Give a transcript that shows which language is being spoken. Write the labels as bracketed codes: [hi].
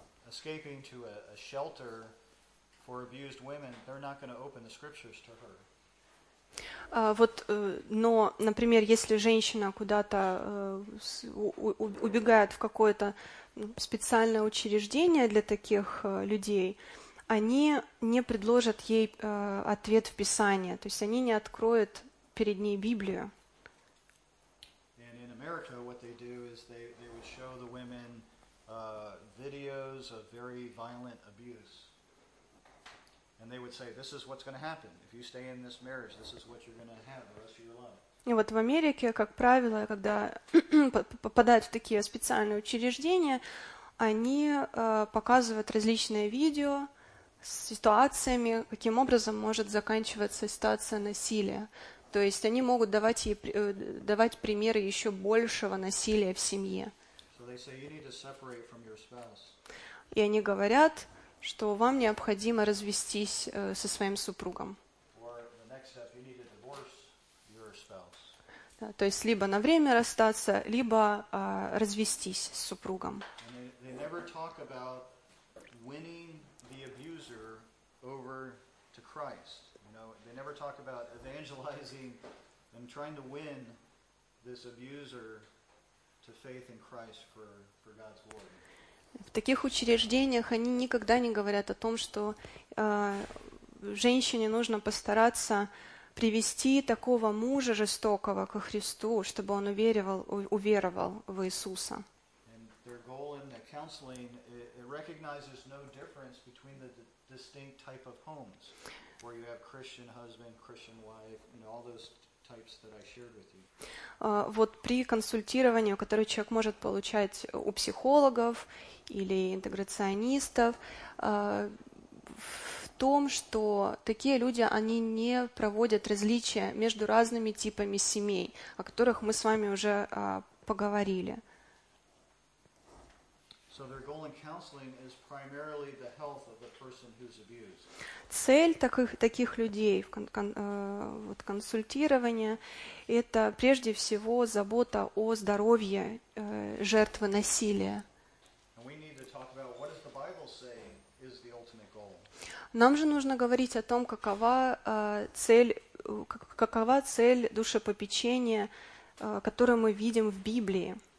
[en] Escaping to a shelter for abused women, they're not going to open the scriptures to her. [ru] Но, например, если женщина куда-то убегает в какое-то специальное учреждение для таких людей, они не предложат ей ответ в Писание, то есть они не откроют перед ней Библию. [en] And in America, what they do is they would show the women videos of very violent abuse. And they would say, this is what's going to happen. If you stay in this marriage, this is what you're going to have the rest of your life. [ru] И вот в Америке, как правило, когда попадают в такие специальные учреждения, они показывают различные видео с ситуациями, каким образом может заканчиваться ситуация насилия. То есть они могут давать примеры еще большего насилия в семье. [en] They say you need to separate from your spouse. [ru] И они говорят, что вам необходимо развестись со своим супругом. [en] Or the next step, you need to divorce your spouse. [ru] Да, то есть либо на время расстаться, либо развестись с супругом. [en] And they never talk about winning the abuser over to Christ. You know, they never talk about evangelizing and trying to win this abuser faith in Christ for God's glory. [ru] В таких учреждениях они никогда не говорят о том, что женщине нужно постараться привести такого мужа жестокого ко Христу, чтобы он уверовал в Иисуса. [en] And their goal in the counseling it recognizes no difference between the distinct type of homes where you have Christian husband, Christian wife, you know, all those types that I shared with you. [ru] Вот при консультировании, которое человек может получать у психологов или интеграционистов, в том, что такие люди, они не проводят различия между разными типами семей, о которых мы с вами уже поговорили. [en] So their goal in counseling is primarily the health of the person who's abused. [ru] Цель таких людей в вот консультировании – это прежде всего забота о здоровье жертвы насилия. [en] And we need to talk about what does the Bible say is the ultimate goal. [ru] Нам же нужно говорить о том, какова цель душепопечения, которую мы видим в Библии.